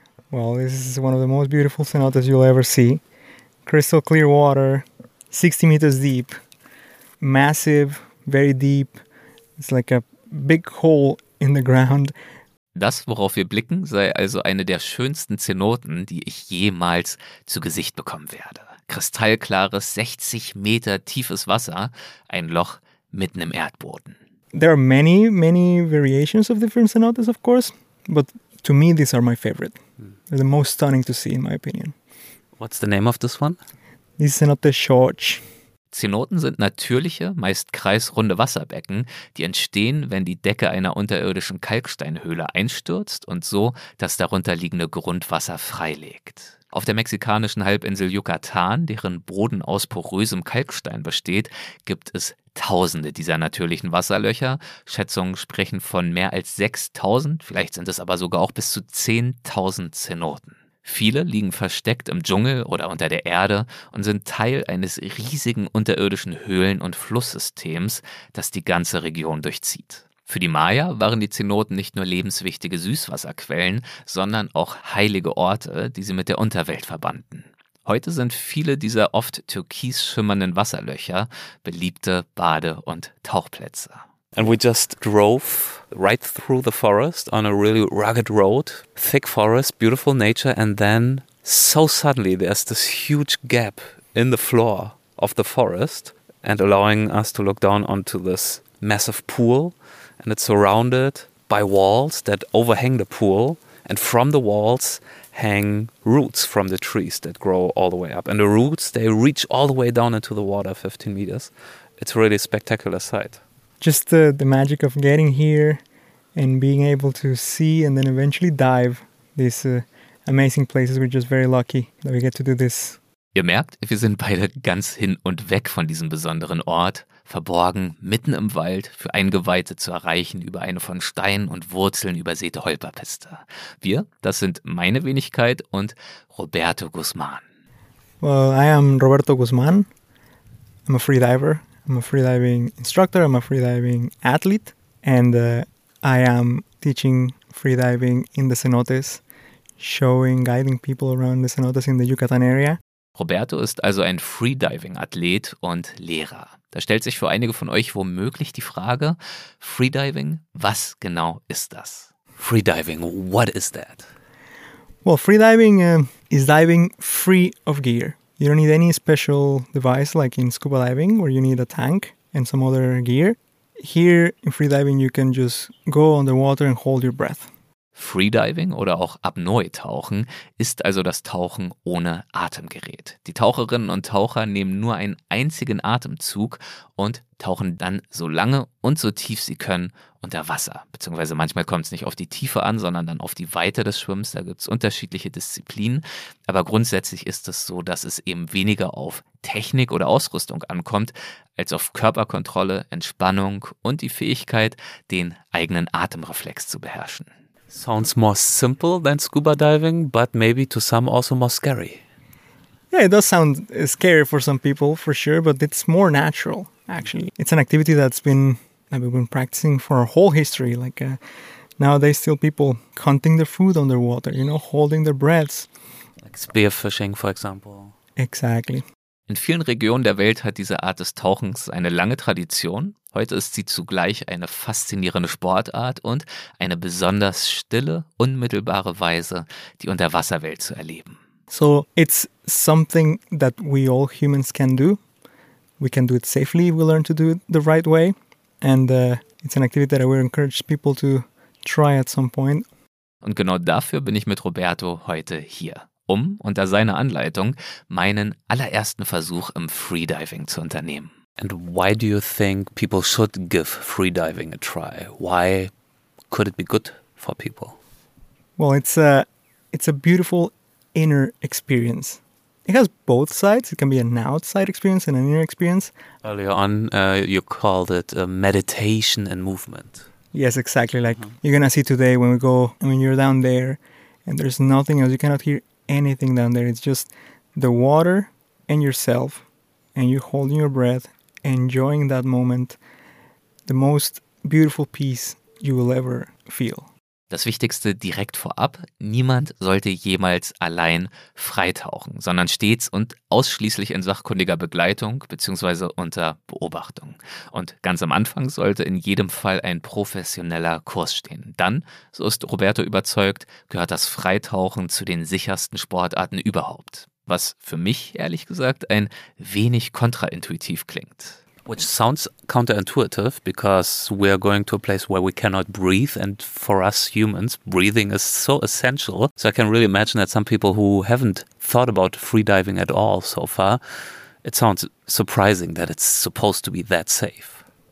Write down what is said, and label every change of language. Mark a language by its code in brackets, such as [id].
[en] Well, this is one of the most beautiful cenotes you'll ever see. Crystal clear water, 60 meters deep, massive, very deep. It's like a big hole in the ground. [de] Das, worauf wir blicken, sei also eine der schönsten Zenoten, die ich jemals zu Gesicht bekommen werde. Kristallklares, 60 Meter tiefes Wasser, ein Loch mitten im Erdboden. [en] There are many, many variations of different cenotes, of course, but to me, these are my favorite. They're the most stunning to see, in my opinion. What's the name of this one? This cenote Xorch. [de] Zenoten sind natürliche, meist kreisrunde Wasserbecken, die entstehen, wenn die Decke einer unterirdischen Kalksteinhöhle einstürzt und so das darunterliegende Grundwasser freilegt. Auf der mexikanischen Halbinsel Yucatan, deren Boden aus porösem Kalkstein besteht, gibt es Tausende dieser natürlichen Wasserlöcher. Schätzungen sprechen von mehr als 6.000, vielleicht sind es aber sogar auch bis zu 10.000 Zenoten. Viele liegen versteckt im Dschungel oder unter der Erde und sind Teil eines riesigen unterirdischen Höhlen- und Flusssystems, das die ganze Region durchzieht. Für die Maya waren die Zenoten nicht nur lebenswichtige Süßwasserquellen, sondern auch heilige Orte, die sie mit der Unterwelt verbanden. Heute sind viele dieser oft türkis schimmernden Wasserlöcher beliebte Bade- und Tauchplätze. [en] And we just drove right through the forest on a really rugged road, thick forest, beautiful nature, and then so suddenly there's this huge gap in the floor of the forest and allowing us to look down onto this massive pool, and it's surrounded by walls that overhang the pool, and from the walls hang roots from the trees that grow all the way up. And the roots, they reach all the way down into the water, 15 meters. It's really a spectacular sight. Just the magic of getting here and being able to see and then eventually dive these amazing places. We're just very lucky that we get to do this. [de] Ihr merkt, wir sind beide ganz hin und weg von diesem besonderen Ort, verborgen mitten im Wald, für Eingeweihte zu erreichen über eine von Steinen und Wurzeln übersäte Holperpiste. Wir, das sind meine Wenigkeit und Roberto Guzman. [en] Well, I am Roberto Guzman. I'm a freediver. I'm a freediving instructor. I'm a freediving athlete. And I am teaching freediving in the cenotes, showing, guiding people around the cenotes in the Yucatan area. [de] Roberto ist also ein Freediving-Athlet und Lehrer. Da stellt sich für einige von euch womöglich die Frage, Freediving, was genau ist das? [en] Freediving, what is that? Well, freediving is diving free of gear. You don't need any special device like in scuba diving where you need a tank and some other gear. Here in freediving, you can just go underwater and hold your breath. [de] Freediving oder auch Apnoe-Tauchen ist also das Tauchen ohne Atemgerät. Die Taucherinnen und Taucher nehmen nur einen einzigen Atemzug und tauchen dann so lange und so tief sie können unter Wasser. Beziehungsweise manchmal kommt es nicht auf die Tiefe an, sondern dann auf die Weite des Schwimmens. Da gibt es unterschiedliche Disziplinen. Aber grundsätzlich ist es so, dass es eben weniger auf Technik oder Ausrüstung ankommt, als auf Körperkontrolle, Entspannung und die Fähigkeit, den eigenen Atemreflex zu beherrschen. [en] Sounds more simple than scuba diving, but maybe to some also more scary. Yeah, it does sound scary for some people, for sure, but it's more natural, actually. It's an activity that we've been practicing for our whole history. Like nowadays, still people counting their food underwater, you know, holding their breaths. Like spearfishing, for example. Exactly. [de] In vielen Regionen der Welt hat diese Art des Tauchens eine lange Tradition. Heute ist sie zugleich eine faszinierende Sportart und eine besonders stille, unmittelbare Weise, die Unterwasserwelt zu erleben. [en] So, it's something that we all humans can do. We can do it safely, we learn to do it the right way. And it's an activity that I would encourage people to try at some point. [de] Und genau dafür bin ich mit Roberto heute hier, um unter seiner Anleitung meinen allerersten Versuch im Freediving zu unternehmen. [en] And why do you think people should give freediving a try? Why could it be good for people? Well, it's a beautiful inner experience. It has both sides. It can be an outside experience and an inner experience. Earlier on, you called it a meditation and movement. Yes, exactly. Like you're going to see today when we go, when you're down there and there's nothing else, you cannot hear anything down there. It's just the water and yourself and you holding your breath, enjoying that moment, the most beautiful peace you will ever feel. [de] Das Wichtigste direkt vorab, niemand sollte jemals allein freitauchen, sondern stets und ausschließlich in sachkundiger Begleitung bzw. unter Beobachtung. Und ganz am Anfang sollte in jedem Fall ein professioneller Kurs stehen. Dann, so ist Roberto überzeugt, gehört das Freitauchen zu den sichersten Sportarten überhaupt. Was für mich, ehrlich gesagt, ein wenig kontraintuitiv klingt. [en] Which sounds counterintuitive, because we are going to a place where we cannot breathe, and for us humans, breathing is so essential. So I can really imagine that some people who haven't thought about freediving at all so far, it sounds surprising that it's supposed to be that safe.